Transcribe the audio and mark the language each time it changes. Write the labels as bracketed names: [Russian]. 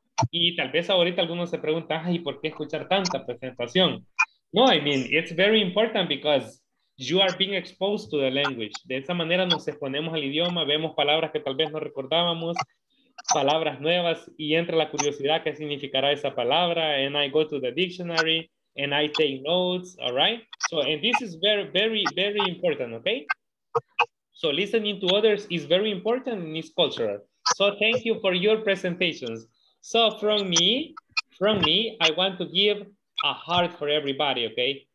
[Spanish] Y tal vez ahorita algunos se preguntan, ay, ¿por qué escuchar tanta presentación? [English] No, I mean, it's very important because you are being exposed to the language. [Spanish] De esa manera nos exponemos al idioma, vemos palabras que tal vez no recordábamos, palabras nuevas, y entra la curiosidad, ¿qué significará esa palabra? [English] And I go to the dictionary, and I take notes, all right? So, and this is very, very, very important, okay? So listening to others is very important in this culture. So thank you for your presentations. So from me, I want to give a heart for everybody, okay?